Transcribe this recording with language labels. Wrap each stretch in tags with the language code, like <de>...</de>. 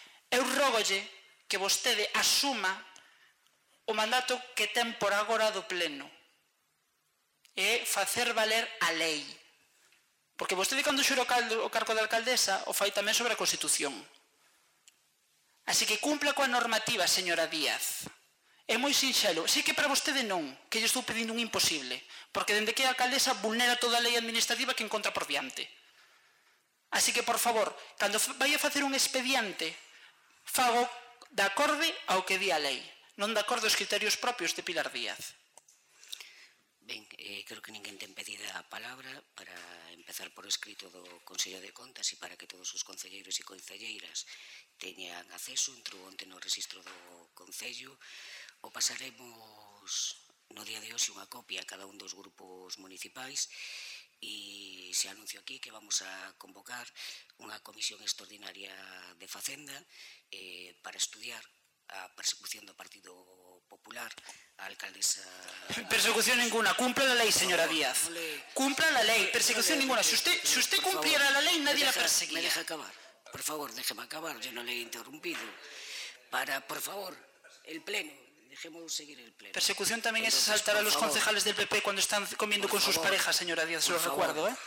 <gl>Eu rogolle que vostede asuma o mandato que ten por agora do pleno é facer valer a lei. Porque vostede cando xuro o cargo de alcaldesa o fai tamén sobre a Constitución. Así que cumpla coa normativa, señora Díaz. É moi sinxelo. Sei que para vostede non, que lle estou pedindo un imposible. Porque dende que a alcaldesa vulnera toda a lei administrativa que encontra por diante. Así que, por favor, cando vai a facer un expediente, fago de acorde ao que di a lei. Non de acordo aos criterios propios de Pilar Díaz. Ben, creo que ninguén ten pedida a palabra para empezar por escrito do Consello de Contas e para que todos os concelleiros e concelleiras teñan acceso, entrou onte no registro do Concello. O pasaremos no día de hoxe unha copia a cada un dos grupos municipais e se anuncio aquí que vamos a convocar unha comisión extraordinaria de Facenda para estudiar a persecución do Partido Popular, a alcaldesa...</gl> <es>Persecución ninguna, cumpla a lei, señora Díaz. Cumpla a lei, persecución ninguna. Se usted cumpliera a lei, nadie la perseguía. Me deja acabar, por favor, déjeme acabar, yo no le he interrumpido. Para, por favor, el pleno, dejemos seguir el pleno. Persecución también es asaltar a los concejales del PP cuando están comiendo con sus parejas, señora Díaz, se lo recuerdo.</es>